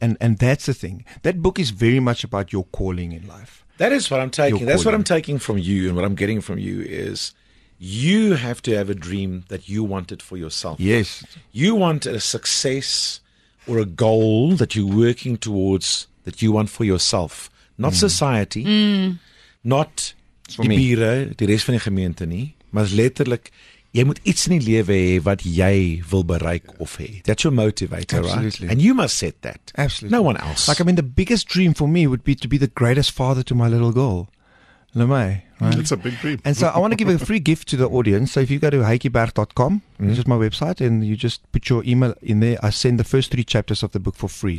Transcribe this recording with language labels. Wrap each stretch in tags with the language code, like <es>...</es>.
<en>And that's the thing. That book is very much about your calling in life. That is what I'm taking. That's what I'm taking from you. And what I'm getting from you is you have to have a dream that you wanted for yourself. Yes. You want a success or a goal that you're working towards that you want for yourself. Not society. Mm.</en> <af>Not die bure, die res van die gemeente nie, maar letterlik, jy moet iets in die lewe hê wat jy wil bereik of hê.</af> <en>That's your motivator, absolutely, right? And you must set that. Absolutely. No one else. Like, I mean, the biggest dream for me would be to be the greatest father to my little girl. Lemay, right? It's a big dream. And so I want to give a free gift to the audience. So if you go to heikieberg.com, which is my website, and you just put your email in there, I send the first three chapters of the book for free.</en>